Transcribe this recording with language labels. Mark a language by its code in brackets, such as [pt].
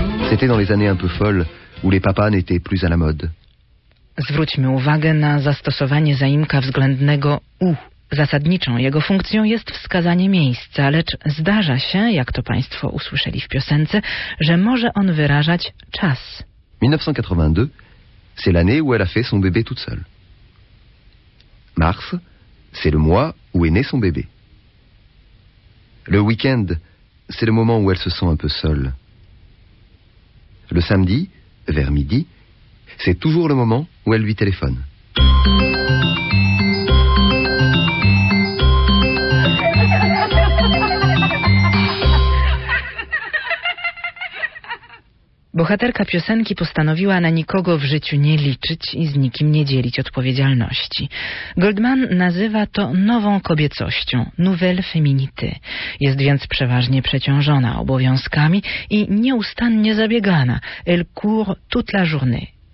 [fr] C'était dans les années un peu folles où les papas n'étaient plus à la mode. [pl] Zwróćmy uwagę na zastosowanie zaimka względnego u. Zasadniczą jego funkcją jest wskazanie miejsca, lecz zdarza się, jak to państwo usłyszeli w piosence, że może on wyrażać czas. [fr] 1982, c'est l'année où elle a fait son bébé toute seule. Mars, c'est le mois où est né son bébé. Le week-end, c'est le moment où elle se sent un peu seule. Le samedi, vers midi, c'est toujours le moment où elle lui téléphone. [pl] Bohaterka piosenki postanowiła na nikogo w życiu nie liczyć i z nikim nie dzielić odpowiedzialności. Goldman nazywa to nową kobiecością, [fr] nouvelle féminité. [pl] Jest więc przeważnie przeciążona obowiązkami i nieustannie zabiegana. [fr] Elle court toute la journée.